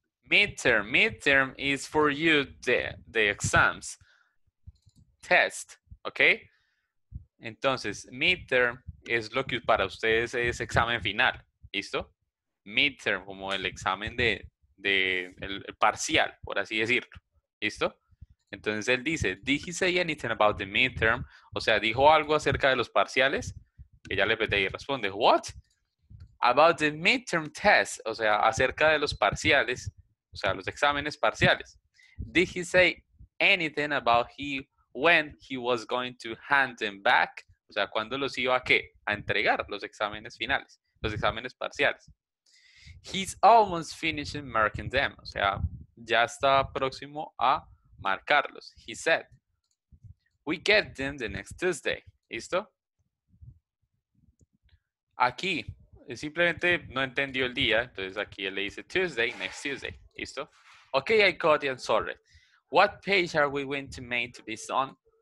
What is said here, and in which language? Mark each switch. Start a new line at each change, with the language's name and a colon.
English: Midterm. Midterm is for you the exams. Test. ¿Ok?
Spanish: Entonces, midterm... es lo que para ustedes es examen final, ¿listo? Midterm, como el examen el parcial, por así decirlo, ¿listo? Entonces él dice,
English: did he say anything about the midterm?
Spanish: O sea, ¿dijo algo acerca de los parciales? Ella le pide y responde,
English: what? About the midterm test,
Spanish: o sea, acerca de los parciales, o sea, los exámenes parciales.
English: Did he say anything about when he was going to hand them back?
Spanish: O sea, ¿cuándo los iba a qué? A entregar los exámenes finales, los exámenes parciales.
English: He's almost finishing marking them.
Spanish: O sea, ya está próximo a marcarlos.
English: He said. We get them the next Tuesday.
Spanish: ¿Listo? Aquí, simplemente no entendió el día, entonces aquí él le dice
English: Tuesday, next Tuesday.
Spanish: ¿Listo?
English: Okay, I got it, I'm sorry. What page are we going to make this on?